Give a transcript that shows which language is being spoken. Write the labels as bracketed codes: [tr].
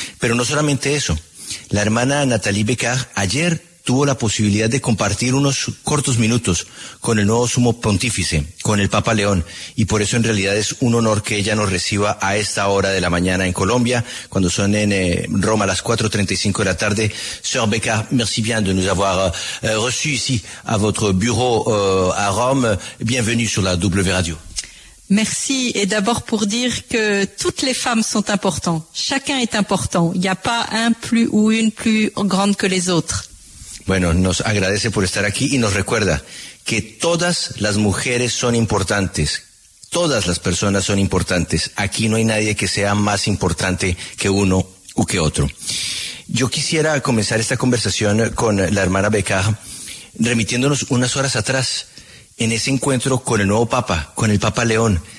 [es] Pero no solamente eso, la hermana Nathalie Bécart ayer tuvo la posibilidad de compartir unos cortos minutos con el nuevo sumo pontífice, con el Papa León, y por eso en realidad es un honor que ella nos reciba a esta hora de la mañana en Colombia, cuando son en Roma a las 4:35 de la tarde. [fr] Sœur Bécart, merci bien de nous avoir reçu ici à votre bureau à Rome. Bienvenue sur la W Radio. Merci, et d'abord pour dire que toutes les femmes sont importantes. Chacun est important. Il n'y a pas un plus ou une plus grande que les autres. [es] Bueno, nos agradece por estar aquí y nos recuerda que todas las mujeres son importantes, todas las personas son importantes. Aquí no hay nadie que sea más importante que uno o que otro. Yo quisiera comenzar esta conversación con la hermana Bécart, remitiéndonos unas horas atrás, en ese encuentro con el nuevo Papa, con el Papa León.